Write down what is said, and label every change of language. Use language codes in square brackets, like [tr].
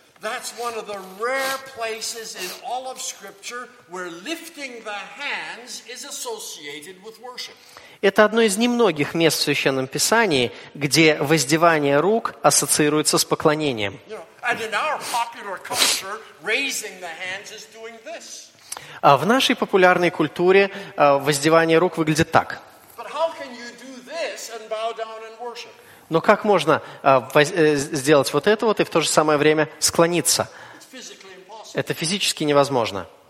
[en] That's one of the rare places in all of Scripture where lifting the hands is associated with worship. [ru] Это одно из немногих мест в Священном Писании, где воздевание рук ассоциируется с поклонением. [en] And in our popular culture, raising the hands is doing this. [ru] А в нашей популярной культуре воздевание рук выглядит так. [en] But how can you do this and bow down and worship? [ru] Но как можно сделать вот это вот и в то же самое время склониться? Это физически невозможно.